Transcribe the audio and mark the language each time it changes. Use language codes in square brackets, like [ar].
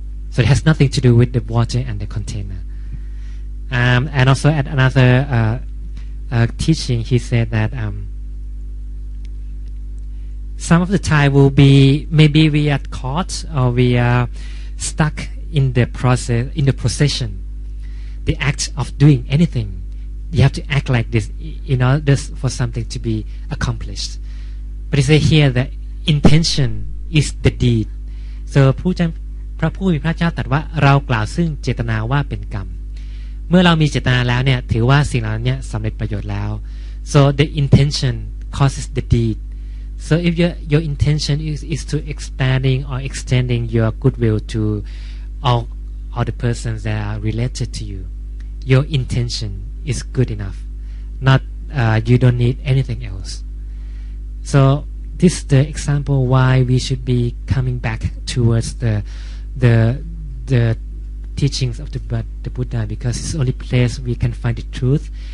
[en] So it has nothing to do with the water and the container. And also at another teaching, he said that some of the time will be, maybe we are caught or we are stuck in the process, in the procession, the act of doing anything. You have to act like this in order for something to be accomplished. But he says here that intention is the deed. [th] So พระผู้มีพระเจ้าตรัสว่าเรากล่าวซึ่งเจตนาว่าเป็นกรรมเมื่อเรามีเจตนาแล้วเนี่ยถือว่าสิ่งเหล่านี้สำเร็จประโยชน์แล้ว [en] so the intention causes the deed. So if your intention is to expanding or extending your goodwill to all the persons that are related to you, your intention is good enough, not you don't need anything else. So this is the example why we should be coming back towards the teachings of the Buddha, because it's the only place we can find the truth.